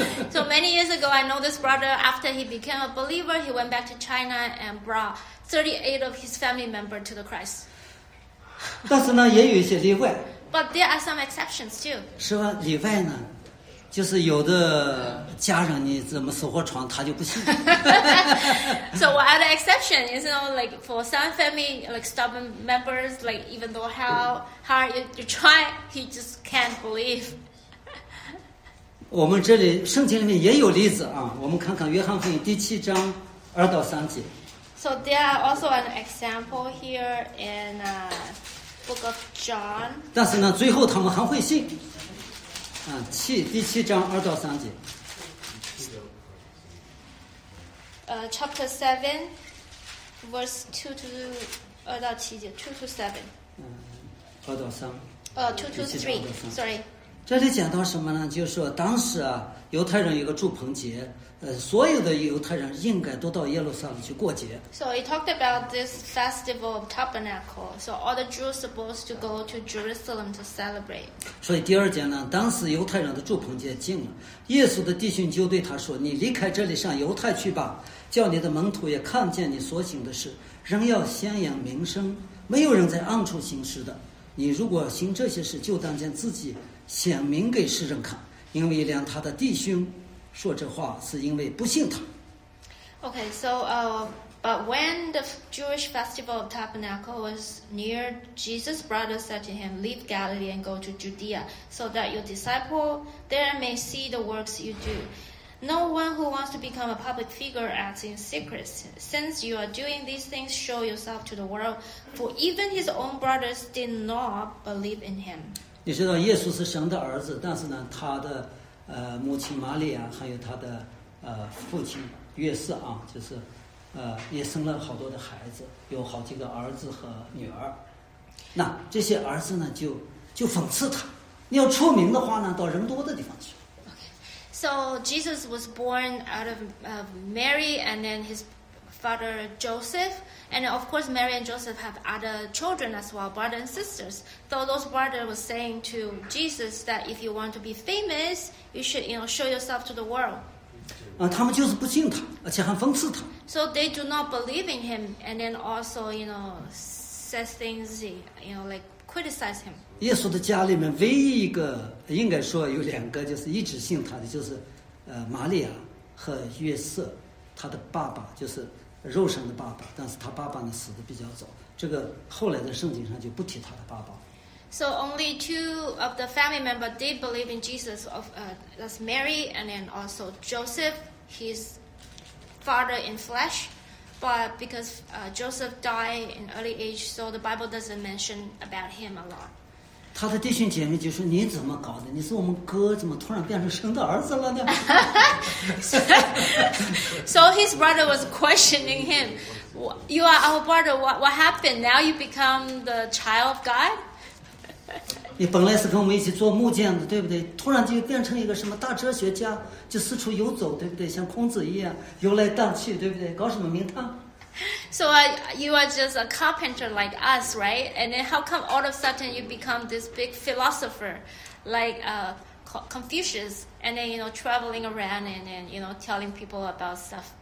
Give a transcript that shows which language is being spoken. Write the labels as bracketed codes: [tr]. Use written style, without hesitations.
[en] So many years ago, I know this brother. After he became a believer, he went back to China and brought 38 of his family members to the Christ. [zh] 但是呢，也有一些例外。 [en] But there are some exceptions too. [zh] 是吧？例外呢，就是有的家人你怎么死活传他就不信。 [en] So what are the exceptions? You know, like for some family, like stubborn members, like even though how hard you try, he just can't believe. [zh] 我们这里圣经里面也有例子啊，我们看看约翰福音第七章二到三节。 [en] So there are also an example here in Book of John. [zh] 但是呢，最后他们还会信。第七章二到三节。 [en] Chapter 7, verse 2 to 7. [zh] 二到三。 [en] 2 to 3, sorry. [zh] 这里讲到什么呢？就是说当时啊，犹太人有个祝棚节，所有的犹太人应该都到耶路撒冷去过节。 [en] So he talked about this festival of Tabernacle. So all the Jews supposed to go to Jerusalem to celebrate. [zh] 所以第二节呢，当时犹太人的祝棚节近了，耶稣的弟兄就对他说：“你离开这里上犹太去吧，叫你的门徒也看见你所行的事，仍要宣扬名声。没有人在暗处行事的。你如果行这些事，就当将自己显明给世人看，因为连他的弟兄。” 说这话是因为不信他。 [en] Okay, so, but when the Jewish festival of Tabernacle was near, Jesus' brother said to him, "Leave Galilee and go to Judea, so that your disciple there may see the works you do. No one who wants to become a public figure acts in secret. Since you are doing these things, show yourself to the world. For even his own brothers did not believe in him." [zh] 你知道耶稣是神的儿子，但是呢，他的母亲玛利亚还有他的父亲约瑟啊，就是也生了好多的孩子，有好几个儿子和女儿。那这些儿子呢，就讽刺他，你要出名的话呢，到人多的地方去。 [en] Okay. So Jesus was born out of Mary and then his father Joseph, and of course Mary and Joseph have other children as well, brothers and sisters. So those brothers were saying to Jesus that if you want to be famous. You should, you know, show yourself to the world. [zh] 他们就是不信他，而且还讽刺他。 [en] So they do not believe in him, and then also, you know, says things, you know, like criticize him. [zh] 耶稣的家里面唯一一个，应该说有两个，就是一直信他的，就是玛利亚和约瑟，他的爸爸就是肉身的爸爸，但是他爸爸呢死得比较早，这个后来在圣经上就不提他的爸爸。 [en] So only two of the family members did believe in Jesus, that's Mary and then also Joseph, his father in flesh. But because Joseph died in early age, so the Bible doesn't mention about him a lot. [zh] 他的弟兄姐妹就说，你怎么搞的？你是我们哥，怎么突然变成神的儿子了呢？ [en] So his brother was questioning him, you are our brother, what happened? Now you become the child of God? [zh] 你本来是跟我们一起做木匠的，对不对？突然就变成一个什么大哲学家，就四处游走，对不对？像孔子一样游来荡去，对不对？搞什么名堂 [en] So you are just a carpenter like us, right? And then how come all of a sudden you become this big philosopher like Confucius, and then, you know, traveling around and then, you know, telling people about stuff?